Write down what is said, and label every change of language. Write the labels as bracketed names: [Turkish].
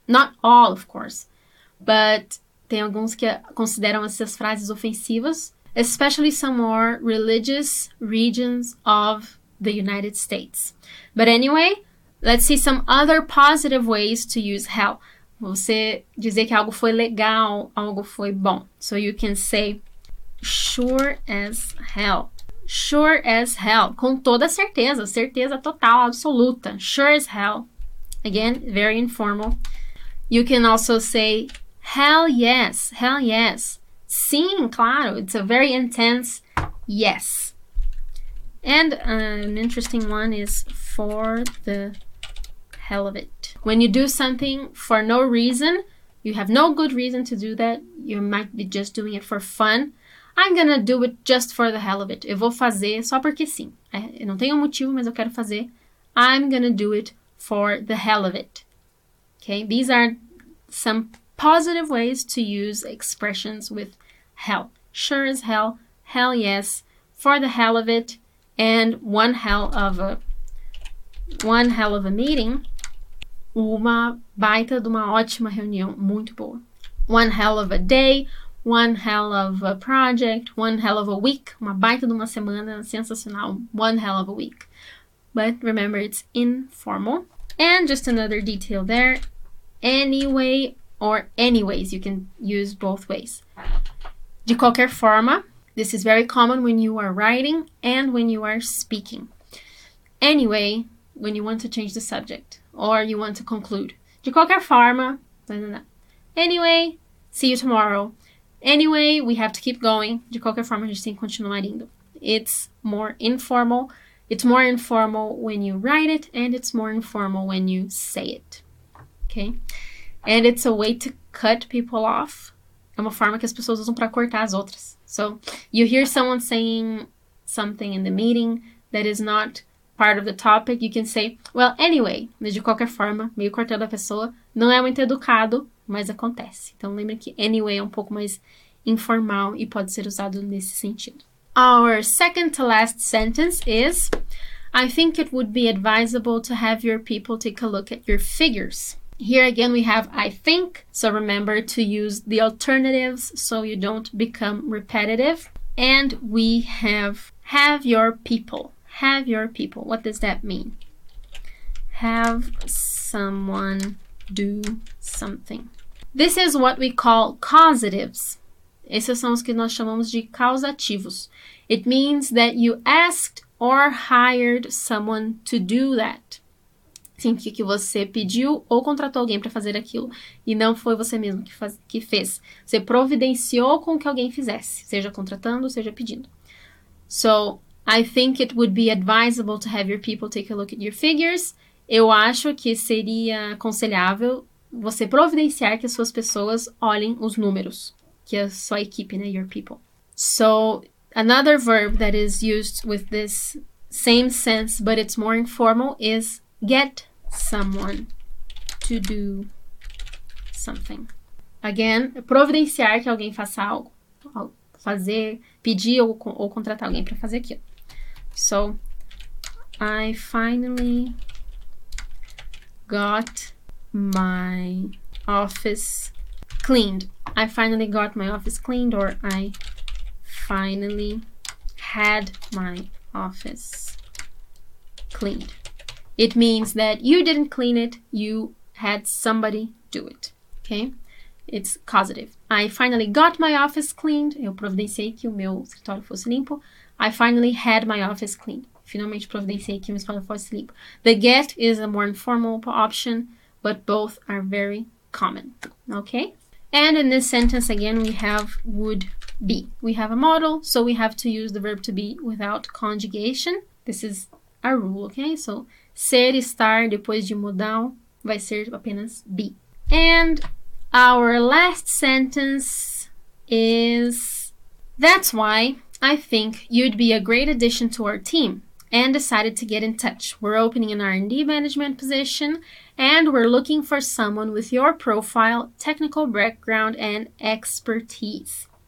[English] Not all, of course, but [Portuguese] tem alguns que consideram essas frases ofensivas, [English] especially some more religious regions of the United States. But anyway, Let's see some other positive ways to use how. [Portuguese] Você dizer que algo foi legal, algo foi bom. [English] So you can say, sure as hell. [Portuguese] Sure as hell. Com toda certeza, certeza total, absoluta. Sure as hell. [English] Again, very informal. You can also say, hell yes, hell yes. [Portuguese] Sim, claro, [English] it's a very intense yes. And an interesting one is for the hell of it. When you do something for no reason, you have no good reason to do that, you might be just doing it for fun. I'm gonna do it just for the hell of it. [Portuguese] Eu vou fazer só porque sim. Eu não tenho motivo, mas eu quero fazer. [English] I'm gonna do it for the hell of it. Okay, these are some positive ways to use expressions with hell. Sure as hell, hell yes, for the hell of it, and one hell of a meeting. [Portuguese] Uma baita de uma ótima reunião, muito boa. [English] One hell of a day, one hell of a project, one hell of a week. [Portuguese] Uma baita de uma semana, sensacional. One hell of a week. [English] But remember, it's informal. And just another detail there. Anyway or anyways, you can use both ways. [Portuguese] De qualquer forma, [English] this is very common when you are writing and when you are speaking. Anyway, when you want to change the subject or you want to conclude. [Portuguese] De qualquer forma, [English] anyway, see you tomorrow. Anyway, we have to keep going. [Portuguese] De qualquer forma, a gente tem que continuar indo. [English] It's more informal. It's more informal when you write it and it's more informal when you say it. Okay? And it's a way to cut people off. [Portuguese] É uma forma que as pessoas usam para cortar as outras. [English] So, you hear someone saying something in the meeting that is not part of the topic, you can say, well, anyway, [Portuguese] mas de qualquer forma, meio cortando a pessoa, não é muito educado, mas acontece. Então, lembra que anyway é um pouco mais informal e pode ser usado nesse sentido. [English] Our second to last sentence is, I think it would be advisable to have your people take a look at your figures. Here again we have I think, so remember to use the alternatives so you don't become repetitive. And we have your people. Have your people. What does that mean? Have someone do something. This is what we call causatives. [Portuguese] Esses são os que nós chamamos de causativos. [English] It means that you asked or hired someone to do that. [Portuguese] Significa que você pediu ou contratou alguém para fazer aquilo e não foi você mesmo que fez. Você providenciou com que alguém fizesse, seja contratando, seja pedindo. [English] So, I think it would be advisable to have your people take a look at your figures. [Portuguese] Eu acho que seria aconselhável você providenciar que as suas pessoas olhem os números, que é sua equipe, né, your people. [English] So, another verb that is used with this same sense, but it's more informal, is get someone to do something. [Portuguese] Again, providenciar que alguém faça algo. Fazer, pedir ou contratar alguém para fazer aquilo. [English] So, I finally got my office cleaned. I finally got my office cleaned, or I finally had my office cleaned. It means that you didn't clean it, you had somebody do it, okay? It's causative. I finally got my office cleaned. [Portuguese] Eu providenciei que o meu escritório fosse limpo. [English] I finally had my office cleaned. [Portuguese] Finalmente providenciei que o meu escritório fosse limpo. [English] The get is a more informal option, but both are very common, okay? And in this sentence again, we have would be. We have a modal, so we have to use the verb to be without conjugation. This is a rule, okay? [Portuguese] So, ser, estar, depois de modal, vai ser apenas be. [English] And our last sentence is, that's why I think you'd be a great addition to our team and decided to get in touch. We're opening an R&D management position and we're looking for someone with your profile, technical background, and expertise.